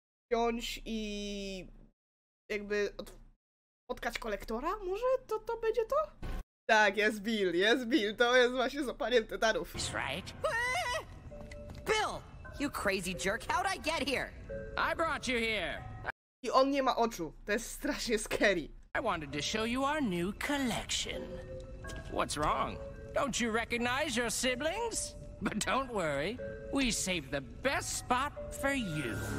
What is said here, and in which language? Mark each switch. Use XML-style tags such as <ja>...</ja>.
<pl>wziąć i jakby spotkać kolektora? Może to będzie to? Tak, jest Bill, to jest właśnie z opaniem tytanów.</pl> <en>Right. Bill, you crazy jerk, how'd I get here? I brought you here.</en> <pl>I on nie ma oczu, to jest strasznie scary.</pl> <en>I wanted to show you our new collection. What's wrong? Don't you recognize your siblings? But don't worry, we saved the best spot for you.</en>